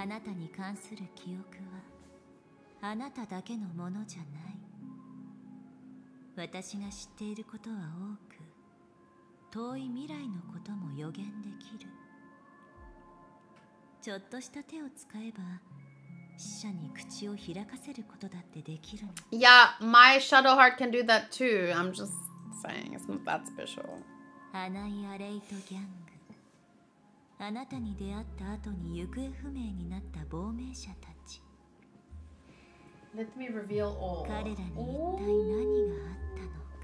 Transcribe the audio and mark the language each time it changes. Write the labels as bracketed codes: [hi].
[ja] あなたに関する記憶はあなただけのものじゃない。私が知っていることは多く、遠い未来のことも予言できる。ちょっとした手を使えば死者に口を開かせることだってできる。 [en] Yeah, my shadow heart can do that too. I'm just saying, it's not that special. [ja] アナイアレイトギャン、あなたに出会った後に行方不明になった亡命者たち。 [en] Let me reveal all. [ja] 彼らに一体何があったのか。